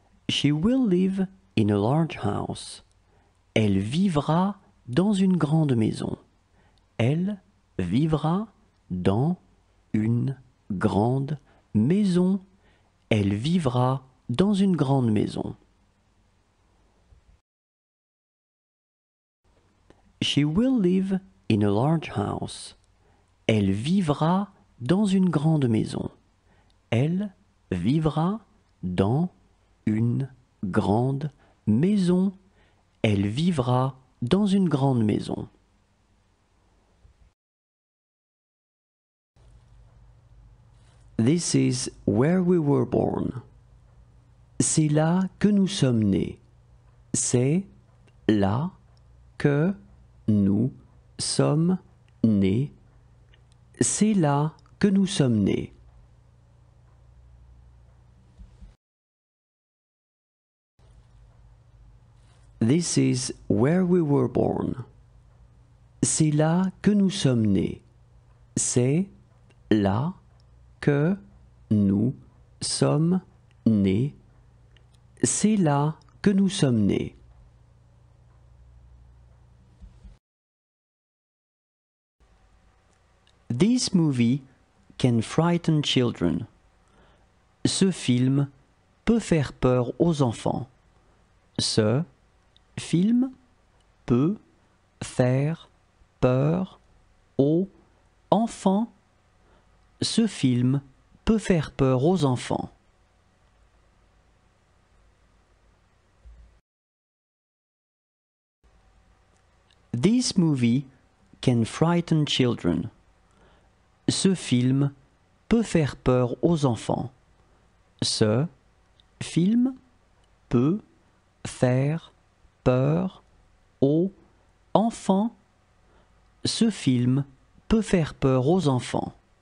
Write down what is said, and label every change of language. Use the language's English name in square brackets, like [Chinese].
[English] She will live in a large house. [French] Elle vivra dans une grande maison. Elle vivra dans une grande maison. Elle vivra dans une grande maison. [English] She will live in a large house. [French] Elle vivra dans une grande maison. Elle vivra dans une grande maison. Elle vivra dans une grande maison. [English] This is where we were born. [French] C'est là que nous sommes nés. C'est là que nous sommes nés. C'est là que nous sommes nés. [English] This is where we were born. [French] C'est là que nous sommes nés. C'est là que nous sommes nés. C'est là que nous sommes nés. [English] This movie can frighten children. [French] Ce film peut faire peur aux enfants. Ce film peut faire peur aux enfants. Ce film peut faire peur aux enfants. [English] This movie can frighten children. [French] Ce film peut faire peur aux enfants. Ce film peut faire peur aux enfants. Ce film peut faire peur aux enfants.